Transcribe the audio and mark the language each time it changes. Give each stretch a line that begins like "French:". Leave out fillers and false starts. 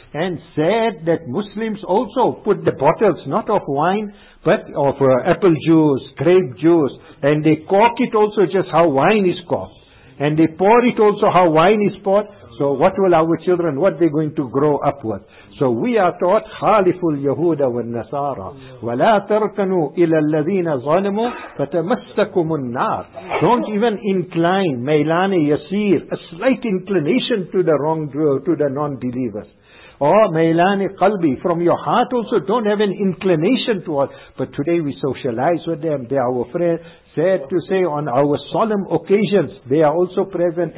English: And said that Muslims also put the bottles, not of wine, but of apple juice, grape juice, and they cork it also just how wine is corked. And they pour it also how wine is poured. So what will our children, what are they going to grow up with? So we are taught,
Arabic: خَالِفُ الْيَهُودَ وَالنَّسَارَى وَلَا تَرْكَنُوا إِلَى الَّذِينَ ظَلَمُوا فَتَمَسَّكُمُ النَّارِ.
English: Don't even incline,
Arabic: مَيْلَانِ يَسِيرِ,
English: a slight inclination to the wrongdoer, to the non-believers. Or
Arabic: مَيْلَانِ قَلْبِ,
English: from your heart also, don't have an inclination towards. But today we socialize with them, they are our friends. Sad to say, on our solemn occasions, they are also present.